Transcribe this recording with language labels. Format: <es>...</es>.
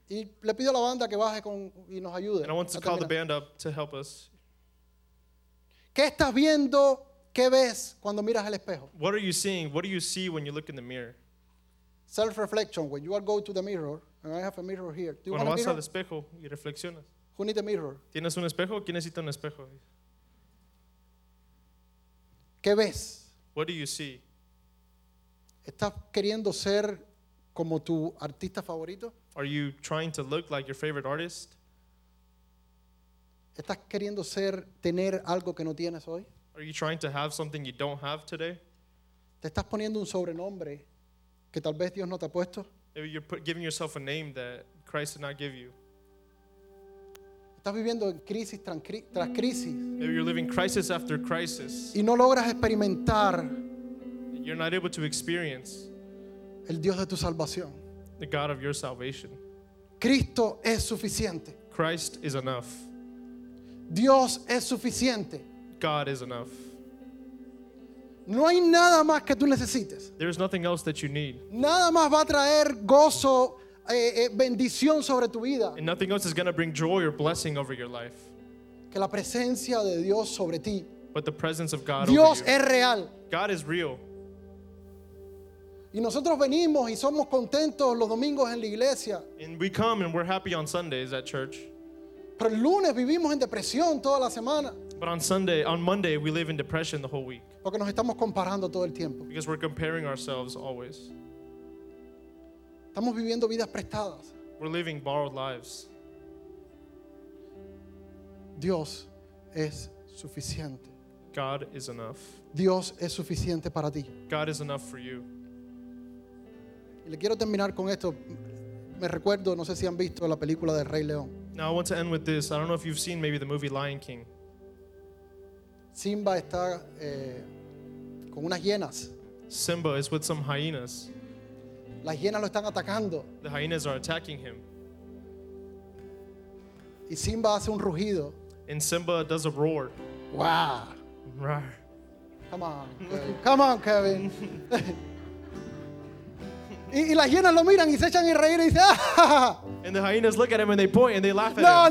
<es>Y le pido a la banda que baje con y nos ayude.</es> <en>And I want to call the band up to help us.</en> <es>¿Qué estás viendo? ¿Qué ves cuando miras al espejo?</es> <en>What are you seeing? What do you see when you look in the mirror? Self-reflection. When you are going to the mirror, and I have a mirror here. Do you</en> <es>cuando</es> <en>want</en> <es>vas</es> <en>a mirror?</en> <es>Al espejo y reflexionas.</es> <en>Who needs a mirror?</en> <es>¿Tienes un espejo? ¿Quién necesita un espejo? ¿Qué ves?</es> <en>What do you see?</en> <es>¿Estás queriendo ser como tu artista favorito?</es> <en>Are you trying to look like your favorite artist?</en> <es>¿Estás queriendo ser tener algo que no tienes hoy?</es> <en>Are you trying to have something you don't have today?</en> <es>¿Te estás poniendo un sobrenombre que tal vez Dios no te ha puesto?</es> <en>Maybe you're giving yourself a name that Christ did not give you.</en> <es>¿Estás viviendo en crisis tras crisis?</es> <en>Maybe you're living crisis after crisis.</en> <es>Y no logras experimentar.</es> <en>You're not able to experience.</en> <es>El Dios de tu salvación.</es> <en>The God of your salvation.</en> <es>Cristo es suficiente.</es> <en>Christ is enough.</en> <es>Dios es suficiente.</es> <en>God is enough.</en> <es>No hay nada más que tú necesites.</es> <en>There is nothing else that you need.</en> <es>Nada más va a traer gozo, bendición sobre tu vida.</es> <en>And nothing else is going to bring joy or blessing over your life.</en> <es>Que la presencia de Dios sobre ti.</es> <en>But the presence of God</en> <es>Dios</es> <en>over you.</en> <es>Es real.</es> <en>God is real.</en> <es>Y nosotros venimos y somos contentos los domingos en la iglesia.</es> <en>And we come and we're happy on Sundays at church.</en> <es>Pero el lunes vivimos en depresión toda la semana.</es> <en>But on Monday we live in depression the whole week.</en> <es>Porque nos estamos comparando todo el tiempo.</es> <en>Because we're comparing ourselves always.</en> <es>Estamos viviendo vidas prestadas.</es> <en>We're living borrowed lives.</en> <es>Dios es suficiente.</es> <en>God is enough.</en> <es>Dios es suficiente para ti.</es> <en>God is enough for you.</en> <es>Y le quiero terminar con esto. Me recuerdo, no sé si han visto la película del Rey León.</es> <en>Now I want to end with this. I don't know if you've seen maybe the movie Lion King.</en> <es>Simba está con unas hienas.</es> <en>Simba is with some hyenas.</en> <es>Las hienas lo están atacando.</es> <en>The hyenas are attacking him.</en> <es>Y Simba hace un rugido.</es> <en>And Simba does a roar. Wow. Roar. Come on, Kevin. Come on, Kevin.</en> <es>Y las hienas lo miran y se echan a reír y dice.</es> <en>And the hyenas look at him and they point and they laugh at</en>